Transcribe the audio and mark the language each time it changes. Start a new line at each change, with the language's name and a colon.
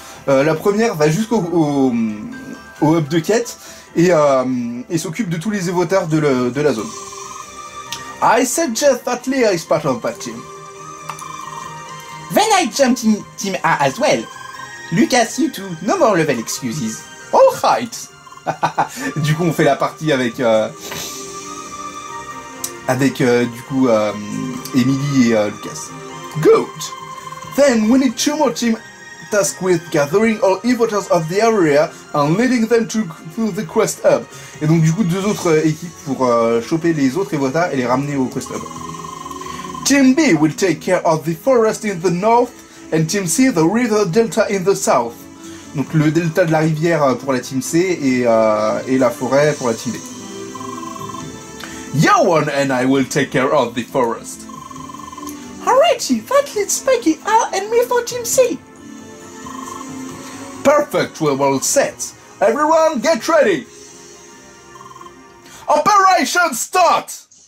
French: La première va jusqu'au hub de quête et s'occupe de tous les évoteurs de la zone.
English: I suggest that Leah is part of that team. Then I jumped in team A as well. Lucas, you two, no more level excuses. All right.
French: Du coup, on fait la partie avec avec du coup Emily et Lucas.
English: Good. Then we need two more team tasked with gathering all evoters of the area and leading them to the quest hub.
French: Et donc du coup deux autres équipes pour choper les autres evoters et les ramener au quest hub.
English: Team B will take care of the forest in the north and Team C the river delta in the south.
French: Donc le delta de la rivière pour la Team C et la forêt pour la Team B.
English: Yawan and I will take care of the forest. Alrighty, that leads Peggy, Al and me for Team C. Perfect, we're all set. Everyone, get ready. Operation start.